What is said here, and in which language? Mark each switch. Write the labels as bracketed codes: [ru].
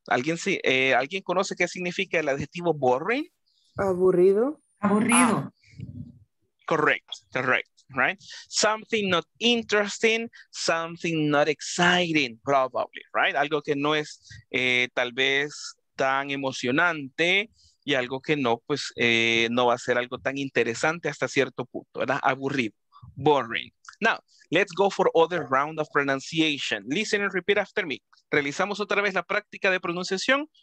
[es] ¿Alguien, si, ¿alguien conoce qué significa el adjetivo boring? Aburrido. Aburrido. Ah. [en] Correct, correct, right? Something not interesting, something not exciting, probably, right? [es] Algo que no es tal vez tan emocionante y algo que no, pues, no va a ser algo tan interesante hasta cierto punto, ¿verdad? [en] Aburrido, boring. Now, let's go for other round of pronunciation. Listen and repeat after me. [es] Realizamos otra vez la práctica de pronunciación.